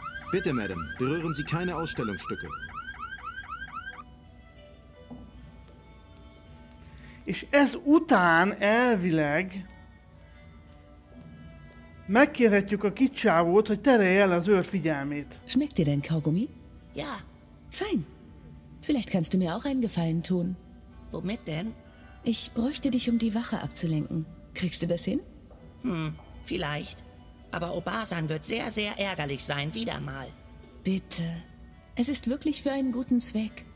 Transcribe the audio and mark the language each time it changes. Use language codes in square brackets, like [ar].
[de] Bitte, Madam, berühren Sie keine Ausstellungsstücke. [hu] És ez után elvileg megkérhetjük a kicsávót, hogy terelje el az őr figyelmét. [de] Schmeckt dir denn Kaugummi? Ja. Fein. Vielleicht kannst du mir auch einen Gefallen tun. Womit denn? Ich bräuchte dich, um die Wache abzulenken. Kriegst du das hin? Vielleicht. Aber Obasan wird sehr, sehr ärgerlich sein, wieder mal. Bitte. Es ist wirklich für einen guten Zweck.